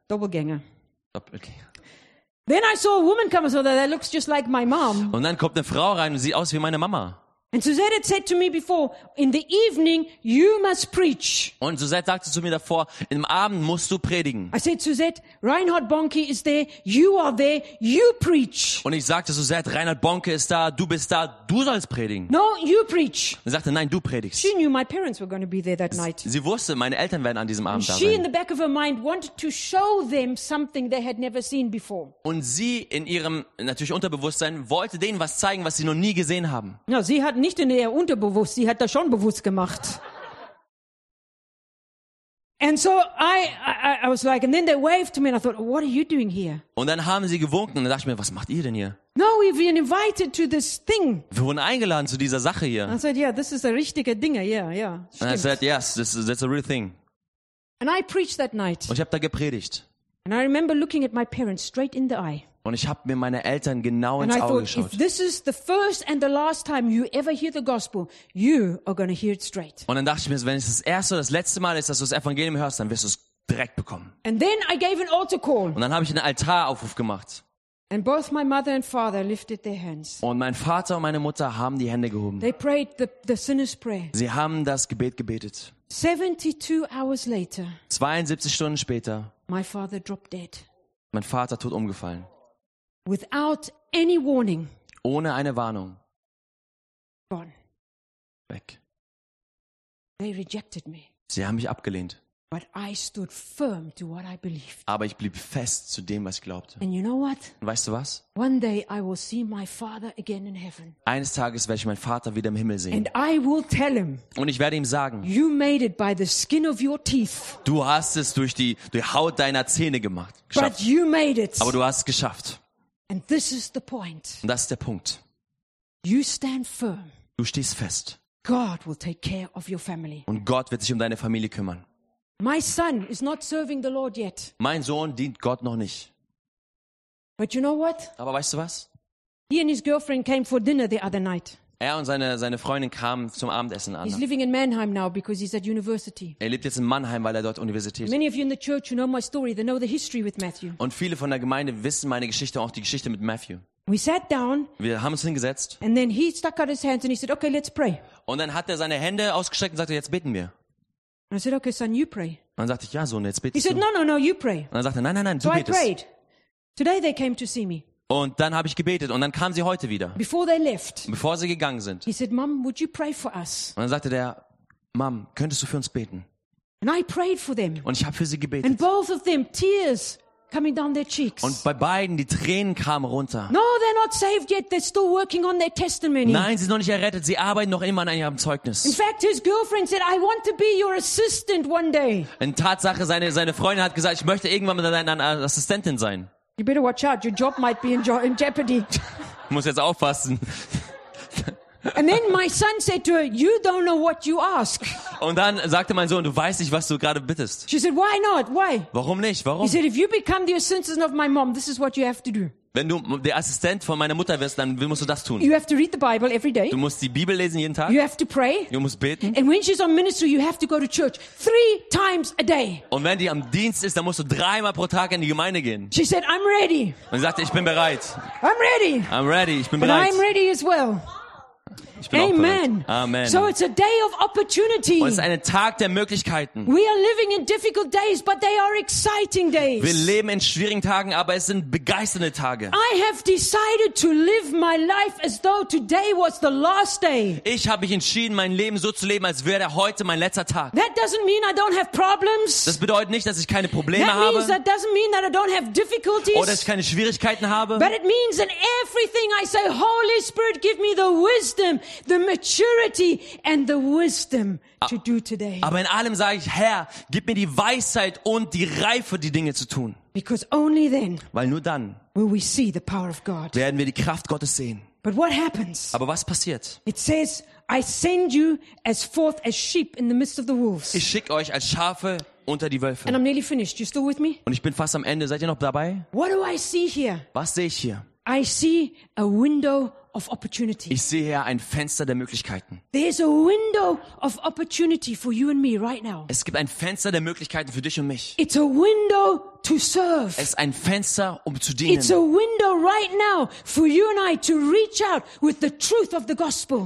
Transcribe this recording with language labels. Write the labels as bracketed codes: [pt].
[en] Doppelgänger. Doppelgänger. Then I saw a woman come and said, that looks just like my mom. [de] Und dann kommt eine Frau rein und sieht aus wie meine Mama. [en] And Suzette had said to me before, in the evening you must preach. [de] Und Suzette sagte zu mir davor, im Abend musst du predigen. [en] I said, Suzette, Reinhard Bonnke is there, you are there, you preach. [de] Und ich sagte, Suzette, Reinhard Bonnke ist da, du sollst predigen. [en] No, you preach. [de] Und sie sagte, nein, du predigst. [en] She knew my parents were going to be there that night. [de] Sie wusste, meine Eltern werden an diesem Abend da sein. [en] She in the back of her mind wanted to show them something they had never seen before. [de] Und sie in ihrem natürlich Unterbewusstsein wollte denen was zeigen, was sie noch nie gesehen haben. Ja, sie hatten nicht in ihr Unterbewusst, sie hat das schon bewusst gemacht. [en] And so I was like, and then they waved to me and I thought, what are you doing here? [de] Und dann haben sie gewunken und dann dachte ich mir, was macht ihr denn hier? [en] No, we've been invited to this thing. [de] Wir wurden eingeladen zu dieser Sache hier. [en] I said, yeah, this is a [de] richtige Dinge, [en] yeah, yeah. And I said, yes, that's a real thing. And I preached that night. [de] Und ich habe da gepredigt. [en] And I remember looking at my parents straight in the eye. [de] Und ich habe mir meine Eltern genau ins Auge geschaut. [en] If this is the first and the last time you ever hear the gospel, you are going to hear it straight. [de] Und dann dachte ich mir, wenn es das erste oder das letzte Mal ist, dass du das Evangelium hörst, dann wirst du es direkt bekommen. [en] And then I gave an altar call. [de] Und dann habe ich einen Altaraufruf gemacht. [en] And both my mother and father lifted their hands. [de] Und mein Vater und meine Mutter haben die Hände gehoben. [en] They prayed the sinner's prayer. [de] Sie haben das Gebet gebetet. [en] 72 hours later. [de] 72 Stunden später. [en] My father dropped dead. [de] Mein Vater tot umgefallen. [en] Without any warning. [de] Ohne eine Warnung. [en] Gone. [de] Weg. [en] They rejected me. [de] Sie haben mich abgelehnt. [en] But I stood firm to what I believed. [de] Aber ich blieb fest zu dem, was ich glaubte. [en] And you know what? [de] Und weißt du was? [en] One day I will see my father again in heaven. [de] Eines Tages werde ich meinen Vater wieder im Himmel sehen. [en] And I will tell him. [de] Und ich werde ihm sagen. [en] You made it by the skin of your teeth. [de] Du hast es durch die Haut deiner Zähne gemacht. [en] But you made it. [de] Aber du hast es geschafft. [en] And this is the point. [de] Und das ist der Punkt. [en] You stand firm. [de] Du stehst fest. [en] God will take care of your family. [de] Und Gott wird sich um deine Familie kümmern. [en] My son is not serving the Lord yet. [de] Mein Sohn dient Gott noch nicht. [en] But you know what? [de] Aber weißt du was? [en] He and his girlfriend came for dinner the other night. [de] Er und seine Freundin kamen zum Abendessen an. [en] He's living in Mannheim now because he's at university. [de] Er lebt jetzt in Mannheim, weil er dort Universität. [en] Many of you in the church who know my story, they know the history with Matthew. [de] Und viele von der Gemeinde wissen meine Geschichte, auch die Geschichte mit Matthew. [en] We sat down. [de] Wir haben uns hingesetzt. [en] And then he stuck out his hands and he said, "Okay, let's pray." [de] Und dann hat er seine Hände ausgestreckt und sagte, jetzt beten wir. [en] And I said, "Okay, son, you pray." [de] Und dann sagte ich, ja, Sohn, jetzt betest [en] du. He said, "No, you pray." [de] Und dann sagte er, nein, du betest. [en] I prayed. Today they came to see me. [de] Und dann habe ich gebetet und dann kamen sie heute wieder. [en] Before they left. [de] Bevor sie gegangen sind. [en] He said, "Mom, would you pray for us?" [de] Und dann sagte der, "Mom, könntest du für uns beten?" [en] And I prayed for them. [de] Und ich habe für sie gebetet. [en] And both of them, tears coming down their cheeks. [de] Und bei beiden die Tränen kamen runter. [en] No, they they're not saved yet. They're still working on their testimony. [de] Nein, sie sind noch nicht errettet. Sie arbeiten noch immer an ihrem Zeugnis. [en] In fact, his girlfriend said, "I want to be your assistant one day." [de] In Tatsache, seine Freundin hat gesagt, ich möchte irgendwann mal deine Assistentin sein. [en] You better watch out. Your job might be in jeopardy. [de] Muss jetzt aufpassen. [en] And then my son said to her, "You don't know what you ask." [de] Und dann sagte mein Sohn, du weißt nicht, was du gerade bittest. [en] She said, "Why not? Why?" [de] Warum nicht? Warum? [en] He said, "If you become the assistant of my mom, this is what you have to do." [de] Wenn du der Assistent von meiner Mutter wirst, dann musst du das tun. [en] You have to read the Bible every day. [de] Du musst die Bibel lesen jeden Tag. [en] You have to pray. [de] Du musst beten. [en] And when she's on ministry, you have to go to church 3 times a day. [de] Und wenn die am Dienst ist, dann musst du 3 Mal pro Tag in die Gemeinde gehen. [en] She said, "I'm ready." [de] Und sie sagte, ich bin bereit. [en] I'm ready. I'm ready. [de] Ich bin bereit. [en] And I'm ready as well. Amen. Amen. So it's a day of opportunity. [de] Und es ist ein Tag der Möglichkeiten. [en] We are living in difficult days, but they are exciting days. [de] Wir leben in schwierigen Tagen, aber es sind begeisternde Tage. [en] I have decided to live my life as though today was the last day. [de] Ich habe mich entschieden, mein Leben so zu leben, als wäre heute mein letzter Tag. [en] That doesn't mean I don't have problems. [de] Das bedeutet nicht, dass ich keine Probleme habe. [en] That doesn't mean that I don't have difficulties. [de] Oder dass ich keine Schwierigkeiten habe. [en] But it means that everything I say, Holy Spirit, give me the wisdom, the maturity and the wisdom to do today. [de] Aber in allem sage ich, Herr, gib mir die Weisheit und die Reife, die Dinge zu tun. [en] Because only then, [de] weil nur dann, [en] will we see the power of God. [de] Werden wir die Kraft Gottes sehen. [en] But what happens? [de] Aber was passiert? [en] It says, "I send you as forth as sheep in the midst of the wolves." [de] Ich schicke euch als Schafe unter die Wölfe. [en] And I'm nearly finished. You still with me? [de] Und ich bin fast am Ende. Seid ihr noch dabei? [en] What do I see here? [de] Was sehe ich hier? [en] I see a window of opportunity. [de] Ich sehe hier ein Fenster der Möglichkeiten. [en] There's a window of opportunity for you and me right now. [de] Es gibt ein Fenster der Möglichkeiten für dich und mich. [en] It's a window to serve. [de] Es ist ein Fenster, um zu dienen. [en] It's a window right now for you and I to reach out with the truth of the gospel.